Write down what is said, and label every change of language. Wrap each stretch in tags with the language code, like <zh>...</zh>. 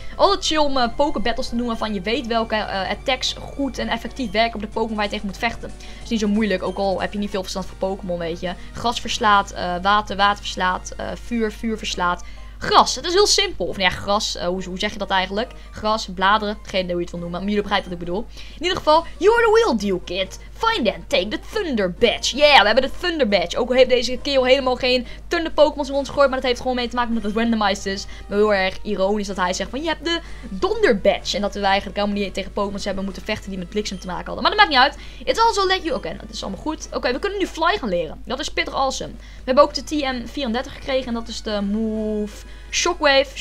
<nl>Altijd chill om Pokébattles te noemen van je weet welke attacks goed en effectief werken op de Pokémon waar je tegen moet vechten. Dat is niet zo moeilijk, ook al heb je niet veel verstand van Pokémon, weet je. Gras verslaat, water, water verslaat, vuur verslaat. Gras, het is heel simpel. Of nee, gras, hoe zeg je dat eigenlijk? Gras, bladeren, geen idee hoe je het wil noemen, maar jullie begrijpen wat ik bedoel. In ieder geval,</nl> <en>you're the real deal, kid. Find and take the Thunder Badge.</en> <nl>Yeah, we hebben de Thunder Badge. Ook al heeft deze kerel helemaal geen Thunder Pokémon rond gegooid, maar dat heeft gewoon mee te maken met het randomized is. Maar heel erg ironisch dat hij zegt van, je hebt de Donder Badge. En dat we eigenlijk helemaal niet tegen Pokémon hebben moeten vechten die met bliksem te maken hadden. Maar dat maakt niet uit.</nl> <en>It's also let you...</en> <nl>Oké, dat is allemaal goed. Oké, we kunnen nu Fly gaan leren. Dat is pittig awesome. We hebben ook de TM34 gekregen en dat is de move Shockwave.</nl>